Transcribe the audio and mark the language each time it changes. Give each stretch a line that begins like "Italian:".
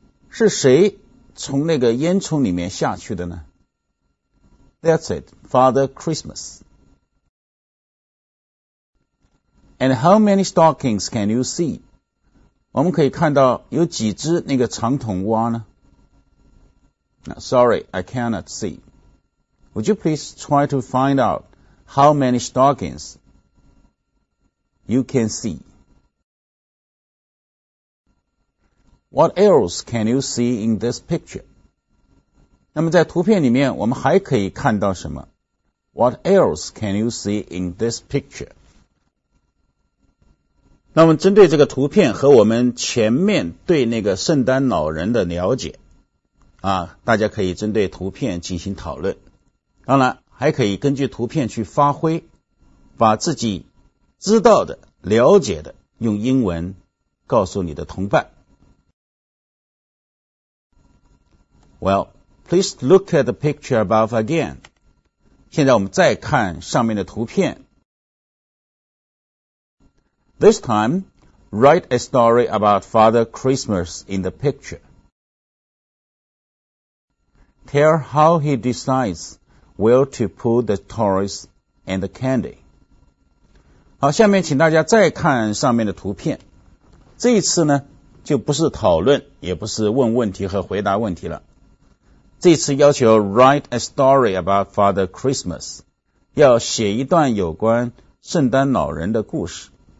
Chinese: 是谁从那个烟囱里面下去的呢?
English: That's it, Father Christmas. And how many stockings can you see?
Chinese: 我们可以看到有几只那个长筒袜呢?
English: No, sorry, I cannot see. Would you please try to find out how many stockings you can see? What else can you see in this picture?
Chinese: 那么在图片里面我们还可以看到什么?
English: What else can you see in this picture?
Chinese: 那么针对这个图片和我们前面对那个圣诞老人的了解啊，大家可以针对图片进行讨论。当然还可以根据图片去发挥，把自己知道的、了解的用英文告诉你的同伴。
English: Well, please look at the picture above again.
Chinese: 现在我们再看上面的图片。
English: This time, write a story about Father Christmas in the picture. Tell how he decides. Where to put the toys and the candy.
Chinese: 好，下面请大家再看上面的图片。这一次呢，就不是讨论，也不是问问题和回答问题了。这一次要求
English: write a story about Father Christmas，
Chinese: 要写一段有关圣诞老人的故事。